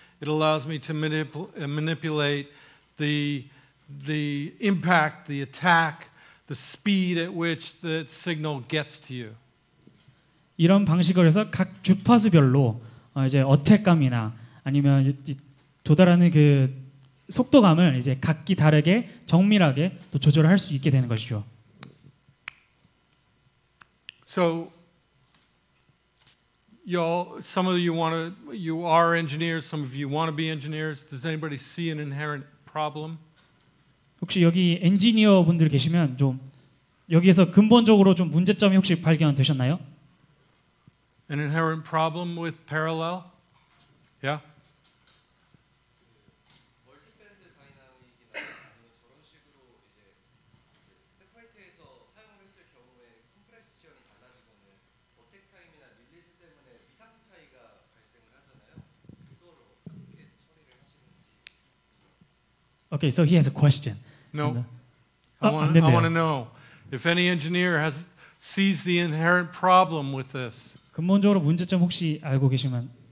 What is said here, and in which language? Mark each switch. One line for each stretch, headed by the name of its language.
English: It allows me to manipulate the impact, the attack. The speed at which the signal gets to you.
Korean: 이런 방식을 해서 각 주파수별로 이제 어택감이나 아니면 도달하는 그 속도감을 이제 각기 다르게 정밀하게 또 조절할 수 있게 되는 것이죠.
English: So some of you want to, you are engineers. Some of you want to be engineers. Does anybody see an inherent problem?
Korean: 혹시 여기 엔지니어 분들 계시면 좀 여기에서 근본적으로 좀 문제점이 혹시 발견되셨나요?
English: An inherent problem with parallel? Yeah. 오케이, okay, so he has a question. No, I want to know if any engineer has sees the inherent problem with this.
Korean: 근본적으로 문제점 혹시 알고 계시면?